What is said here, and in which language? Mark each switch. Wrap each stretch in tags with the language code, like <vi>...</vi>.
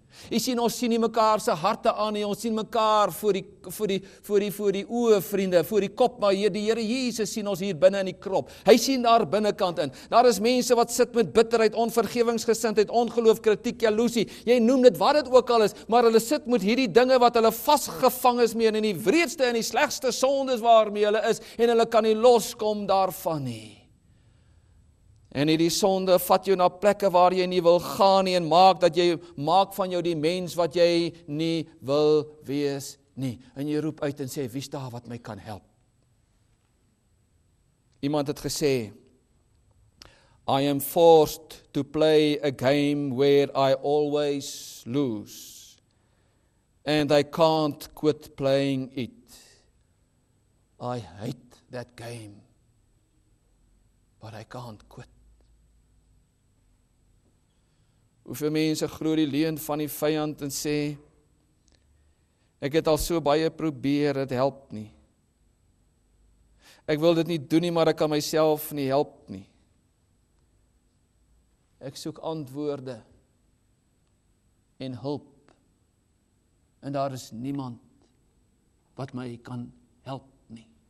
<af>Jy sien, ons sien nie mekaar se harte aan nie, ons sien mekaar voor die oë, vriende, voor die kop, maar hier die Here Jesus sien ons hier binne in die krop, hy sien daar binnenkant in, daar is mense wat sit met bitterheid, onvergewingsgesindheid, ongeloof, kritiek, jaloesie, jy noem dit wat het ook al is, maar hulle sit met hierdie dinge wat hulle vastgevang is mee, en die wreedste en die slegste sondes waarmee hulle is, en hulle kan nie loskom daarvan nie. En hierdie sonde vat jou na plekke waar jy nie wil gaan nie, en maak van jou die mens wat jy nie wil wees nie. En jy roep uit en sê, wie is daar wat my kan help? Iemand het gesê,</af> <en>I am forced to play a game where I always lose, and I can't quit playing it. I hate that game, but I can't quit.</en> <af>Hoeveel mense glo die leuen van die vyand en sê, ek het al so baie probeer, het help nie. Ek wil dit nie doen nie, maar ek kan myself nie help nie. Ek soek antwoorde en hulp, en daar is niemand wat my kan help nie.</af>